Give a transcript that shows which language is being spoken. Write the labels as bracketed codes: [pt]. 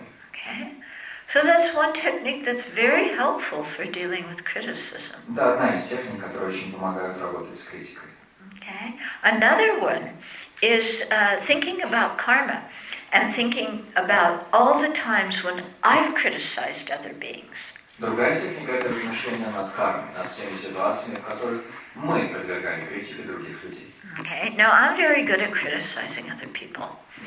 [en] Okay? So that's one technique that's very helpful for dealing with criticism. [ru] Да, одна из техник, которая очень помогает работать с критикой. [en] Okay. Another one is thinking about karma and thinking about all the times when I've criticized other beings. [ru] Другая техника это размышление над кармой, над всеми ситуациями, в которых мы подвергаем критике других людей. [en] Okay. Now I'm very good at criticizing other people.